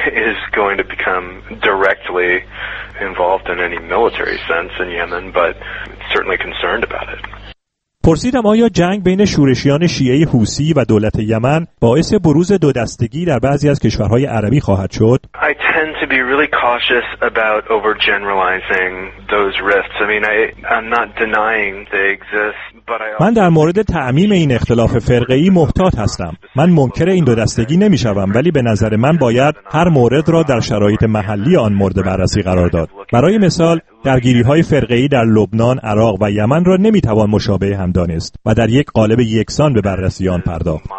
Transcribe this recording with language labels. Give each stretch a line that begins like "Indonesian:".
English: Is going to become directly involved in any military sense in Yemen, but certainly concerned about it.
Persian: پرسیدم آیا جنگ بین شورشیان شیعه حوثی و دولت یمن باعث بروز دو دستگی در بعضی از کشورهای عربی خواهد شد؟
English: I tend to be really cautious about overgeneralizing those rifts. I mean, I'm not denying they exist.
Persian: من در مورد تعمیم این اختلاف فرقه‌ای محتاط هستم. من منکر این دو دستگی نمی‌شوم، ولی به نظر من باید هر مورد را در شرایط محلی آن مورد بررسی قرار داد. برای مثال، درگیری‌های فرقه‌ای در لبنان، عراق و یمن را نمی‌توان مشابه هم دانست و در یک قالب یکسان به بررسی آن پرداخت.